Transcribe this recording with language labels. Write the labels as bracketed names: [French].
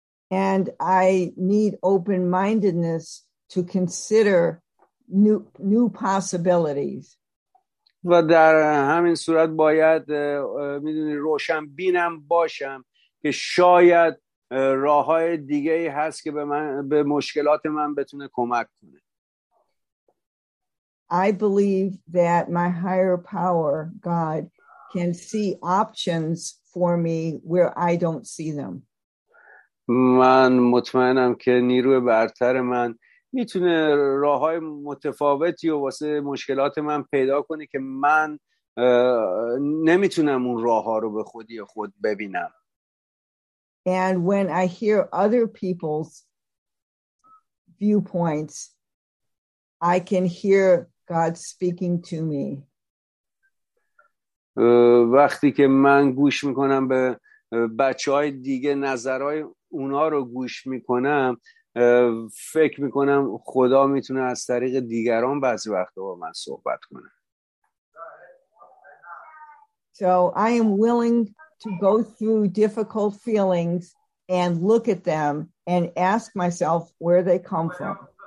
[English] And I need open-mindedness to consider new possibilities. [Persian] و در همین صورت باید میدونی روشن بینم باشم که شاید راه‌های دیگه‌ای هست که به مشکلات من بتونه کمک کنه. [English] I believe that my higher power, God, can see options for me where I don't see them. [Persian] من مطمئنم که نیروی برتر من میتونه راه‌های متفاوتی و واسه مشکلات من پیدا کنه که من نمیتونم اون راه‌ها رو به خودی خود ببینم. [English] And when I hear other people's viewpoints, I can hear God speaking to me. [Persian] وقتی که من گوش میکنم به بچه‌های دیگه نظرهای اونا رو گوش میکنم فکر میکنم خدا میتونه از طریق دیگران بعضی وقتا با من صحبت کنه. [English] So I am willing to go through difficult feelings and look at them and ask myself where they come from.